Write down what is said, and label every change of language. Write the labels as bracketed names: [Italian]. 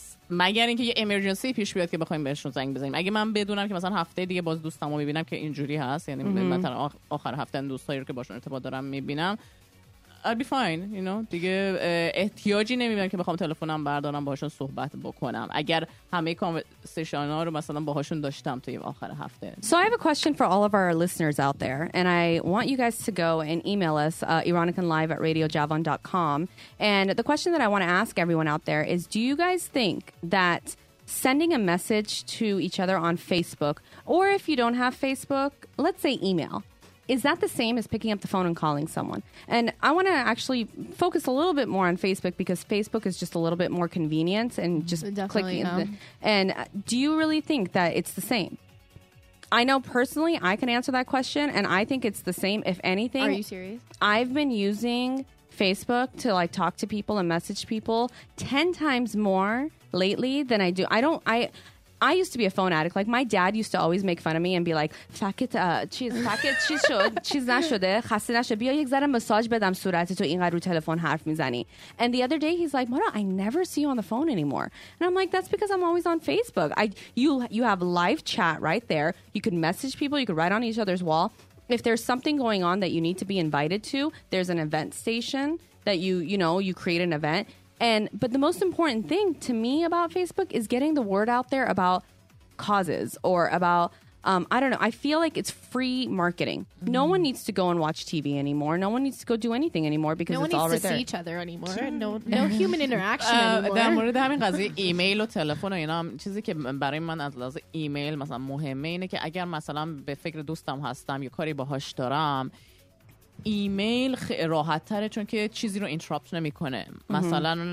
[Persian] مگر اینکه یه امرجنسی پیش بیاد که بخوایم بهشون زنگ بزنیم اگه من بدونم که مثلا هفته دیگه باز دوستامو میبینم که اینجوری هست یعنی مثلا آخر هفته دوستایی رو که باشون ارتباط دارم میبینم [English] I'll be fine you know [Persian] دیگه احتیاجی نمیبینم که بخوام تلفنم بردارم باهاشون صحبت بکنم اگر همه کانورسیشن ها رو مثلا باهاشون داشتم توی آخر هفته [English] So I have a question for all of our listeners out there and I want you guys to go and email us ironicandlive@radiojavon.com and the question that I want to ask everyone out there is do you guys think that sending a message to each other on Facebook or if you don't have Facebook let's say email Is that the same as picking up the phone and calling someone? And I want to actually focus a little bit more on Facebook because Facebook is just a little bit more convenient and just clicking. Yeah. And do you really think that it's the same? I know personally I can answer that question and I think it's the same if anything. Are you serious? I've been using Facebook to like talk to people and message people 10 times more lately than I do. I used to be a phone addict. Like my dad used to always make fun of me and be like, [Persian] "فکت چیز فکت چیز شد چیز نشده خسته نشده بیا یک ذره مساج بدم صورت تو اینقدر رو تلفن حرف میزنی." [English] And the other day he's like, "Mara, I never see you on the phone anymore." And I'm like, "That's because I'm always on Facebook. You have live chat right there. You can message people. You can write on each other's wall. If there's something going on that you need to be invited to, there's an event station that you create an event." But the most important thing to me about Facebook is getting the word out there about causes or about, I don't know, I feel like it's free marketing. Mm-hmm. No one needs to go and watch TV anymore. No one needs to go do anything anymore because no it's all right there. No one needs to see each other anymore. No human interaction anymore. [Persian] در مورد همین قضیه ایمیل و تلفن و اینا چیزی که برای من از لحاظ ایمیل مثلا مهمه اینه که اگر مثلا به فکر دوستم هستم یا کاری باهاش دارم ایمیل راحت تره چون که چیزی رو اینترابت نمی کنه مثلا